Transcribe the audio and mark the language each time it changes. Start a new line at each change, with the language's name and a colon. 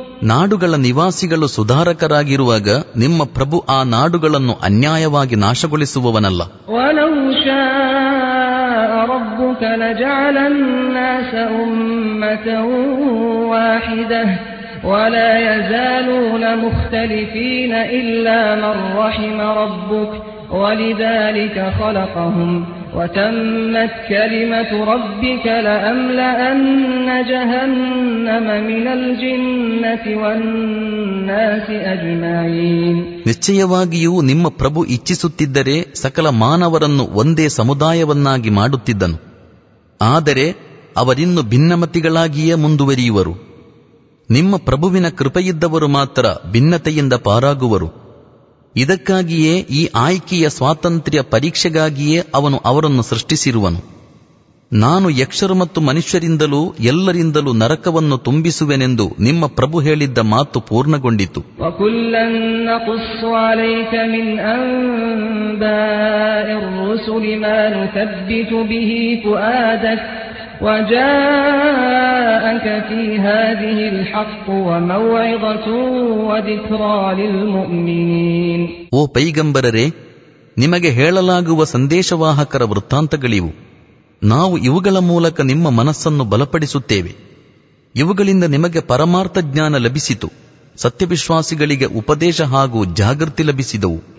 Kannada: ನಾಡುಗಳ ನಿವಾಸಿಗಳು ಸುಧಾರಕರಾಗಿರುವಾಗ ನಿಮ್ಮ ಪ್ರಭು ಆ ನಾಡುಗಳನ್ನು ಅನ್ಯಾಯವಾಗಿ ನಾಶಗೊಳಿಸುವವನಲ್ಲ.
Arabic: ولا يزالون مختلفين الا من رحم ربك ولذلك خلقهم وتمت كلمه ربك لاملأن جهنم من الجنه والناس اجمعين.
Kannada: ನಿಶ್ಚಯವಾಗಿಯೂ ನಿಮ್ಮ ಪ್ರಭು ಇಚ್ಛಿಸುತ್ತಿದ್ದರೆ ಸಕಲ ಮಾನವರನ್ನು ಒಂದೇ ಸಮುದಾಯವನ್ನಾಗಿ ಮಾಡುತ್ತಿದ್ದನು. ಆದರೆ ಅವರಿನ್ನು ಭಿನ್ನಮತಿಗಳಾಗಿಯೇ ಮುಂದುವರಿಯುವರು. ನಿಮ್ಮ ಪ್ರಭುವಿನ ಕೃಪೆಯಿದ್ದವರು ಮಾತ್ರ ಭಿನ್ನತೆಯಿಂದ ಪಾರಾಗುವರು. ಇದಕ್ಕಾಗಿಯೇ ಈ ಆಯ್ಕೆಯ ಸ್ವಾತಂತ್ರ್ಯ ಪರೀಕ್ಷೆಗಾಗಿಯೇ ಅವನು ಅವರನ್ನು ಸೃಷ್ಟಿಸಿರುವನು. ನಾನು ಯಕ್ಷರು ಮತ್ತು ಮನುಷ್ಯರಿಂದಲೂ ಎಲ್ಲರಿಂದಲೂ ನರಕವನ್ನು ತುಂಬಿಸುವೆನೆಂದು ನಿಮ್ಮ ಪ್ರಭು ಹೇಳಿದ್ದ ಮಾತು ಪೂರ್ಣಗೊಂಡಿತು.
Arabic: وجاءك في هذه الحق وموعظة وذكرى للمؤمنين.
Kannada: ಓ ಪೈಗಂಬರರೇ, ನಿಮಗೆ ಹೇಳಲಾಗುವ ಸಂದೇಶವಾಹಕರ ವೃತ್ತಾಂತಗಳಿವು. ನಾವು ಇವುಗಳ ಮೂಲಕ ನಿಮ್ಮ ಮನಸ್ಸನ್ನು ಬಲಪಡಿಸುತ್ತೇವೆ. ಇವುಗಳಿಂದ ನಿಮಗೆ ಪರಮಾರ್ಥ ಜ್ಞಾನ ಲಭಿಸಿತು. ಸತ್ಯವಿಶ್ವಾಸಿಗಳಿಗೆ ಉಪದೇಶ ಹಾಗೂ ಜಾಗೃತಿ ಲಭಿಸಿದವು.